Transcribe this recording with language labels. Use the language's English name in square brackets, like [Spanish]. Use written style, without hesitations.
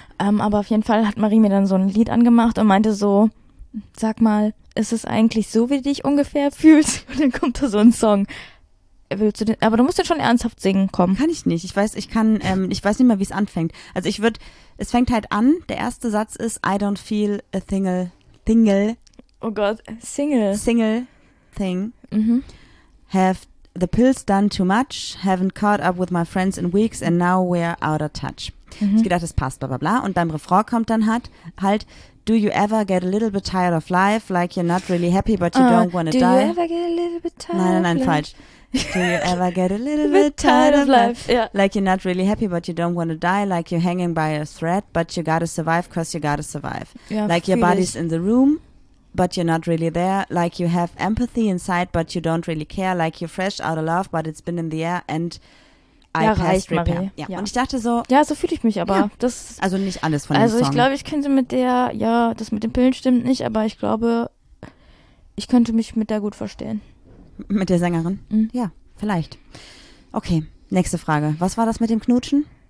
[German] Aber auf jeden Fall hat Marie mir dann so ein Lied angemacht und meinte so, sag mal, ist es eigentlich so, wie du dich ungefähr fühlst? Und dann kommt da so ein Song. Willst du den, aber du musst den schon ernsthaft singen, komm. Kann ich nicht. Ich weiß nicht mehr, wie es anfängt. Also ich würde, es fängt halt an, der erste Satz ist, [English] I don't feel a thingle, thingle. [German] Oh Gott, single. [English] Single thing. Mhm. Have the pills done too much, haven't caught up with my friends in weeks and now we're out of touch. Mhm. [German] Ich gedacht, das passt, bla bla bla. Und beim Refrain kommt dann halt, [English] do you ever get a little bit tired of life, like you're not really happy, but you don't want to die. Do you ever get a little bit tired of life? [German] Nein, falsch. [English] Do you ever get a little bit tired of life? Yeah. Like you're not really happy, but you don't want to die. Like you're hanging by a thread, but you gotta survive, cause you gotta survive. [German] Ja, [English] like your body's in the room, but you're not really there. Like you have empathy inside, but you don't really care. Like you're fresh out of love, but it's been in the air and I [German] ja, [English] passed repair. [German] Marie. Ja. Ja. Und ich dachte so. Ja, so fühle ich mich aber. Ja. Das, also nicht alles von also dem Song. Also ich glaube, ich könnte mit der, ja, das mit den Pillen stimmt nicht, aber ich glaube, ich könnte mich mit der gut verstehen. Mit der Sängerin? Mhm. Ja, vielleicht. Okay, nächste Frage. Was war das mit dem Knutschen?